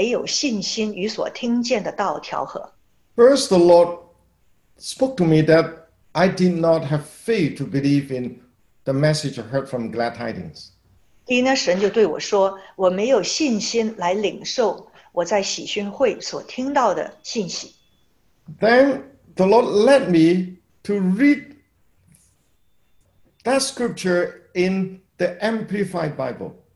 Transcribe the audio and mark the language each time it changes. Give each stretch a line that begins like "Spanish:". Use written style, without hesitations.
Chinese: 因为有福音传给我们，像传给他们一样，只是所听见的道与他们无异，因为他们没有信心与所听见的道调和。
English: First, the Lord spoke to me that I did not have faith to believe in the message I heard from Glad Tidings.
Chinese: 第一呢，神就对我说：“我没有信心来领受我在喜讯会所听到的信息。”
English: Then the Lord led me to read that scripture in the Amplified Bible.